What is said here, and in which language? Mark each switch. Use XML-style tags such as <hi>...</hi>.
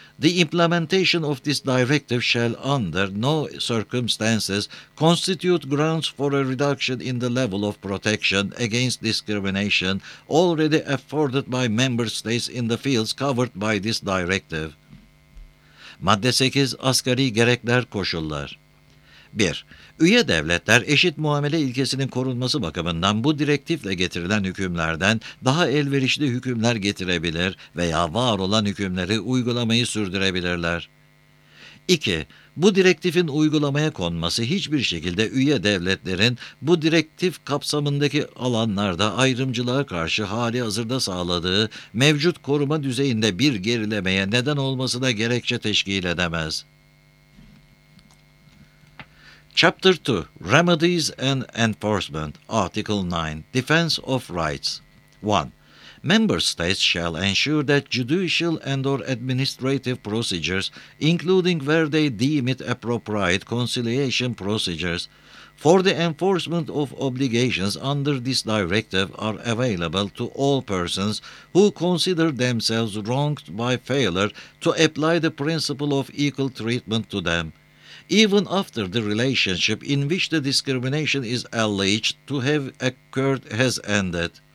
<en>The implementation of this directive shall under no circumstances constitute grounds for a reduction in the level of protection against discrimination already afforded by member states in the fields covered by this directive.</en> <tr>Madde 8. Asgari Gerekler Koşullar 1. Üye devletler eşit muamele ilkesinin korunması bakımından bu direktifle getirilen hükümlerden daha elverişli hükümler getirebilir veya var olan hükümleri uygulamayı sürdürebilirler. 2. Bu direktifin uygulamaya konması hiçbir şekilde üye devletlerin bu direktif kapsamındaki alanlarda ayrımcılığa karşı hali hazırda sağladığı mevcut koruma düzeyinde bir gerilemeye neden olmasına gerekçe teşkil edemez.</tr> <en>Chapter 2. Remedies and Enforcement. Article 9. Defense of Rights. 1. Member states shall ensure that judicial and or administrative procedures, including where they deem it appropriate conciliation procedures, for the enforcement of obligations under this directive are available to all persons who consider themselves wronged by failure to apply the principle of equal treatment to them, even after the relationship in which the discrimination is alleged to have occurred has ended.</en>